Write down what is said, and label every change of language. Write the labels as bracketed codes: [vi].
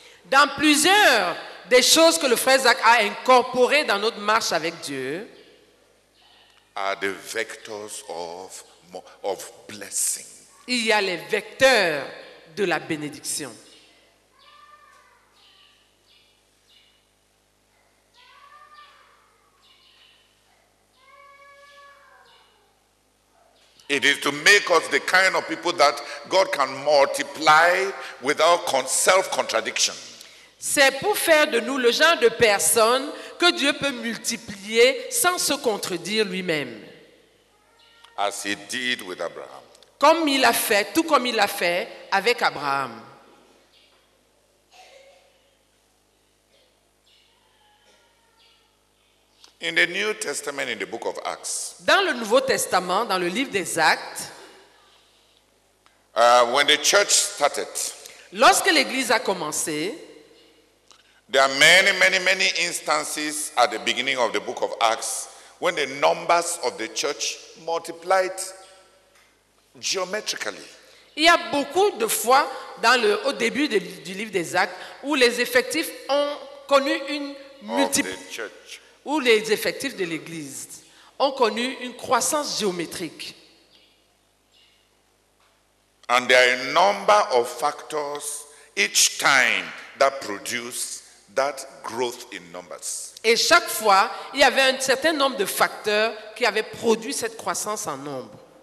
[fr] Dans plusieurs des choses que le frère Zach a incorporées dans notre marche avec Dieu. [en] Are the vectors of blessing. [fr] Il y a les vecteurs de la bénédiction. [en] It is to make us the kind of people that God can multiply without self-contradiction. [fr] C'est pour faire de nous le genre de personnes que Dieu peut multiplier sans se contredire lui-même. [en] As he did with Abraham. [fr] Comme il a fait, tout comme il a fait avec Abraham. [en] In the New Testament, in the book of Acts. [fr] Dans le Nouveau Testament, dans le livre des Actes. [en] When the church started. [fr] Lorsque l'église a commencé. [en] There are many, many, many instances at the beginning of the book of Acts when the numbers of the church multiplied geometrically. [fr] Il y a beaucoup de fois dans le au début de, du livre des Actes où les effectifs ont connu une multiplication. Où les effectifs de l'église ont connu une croissance géométrique. [en] And there are a number of factors each time that produce that growth in numbers. [fr] Et chaque fois, il y avait un certain nombre de facteurs qui avaient produit cette croissance en nombre.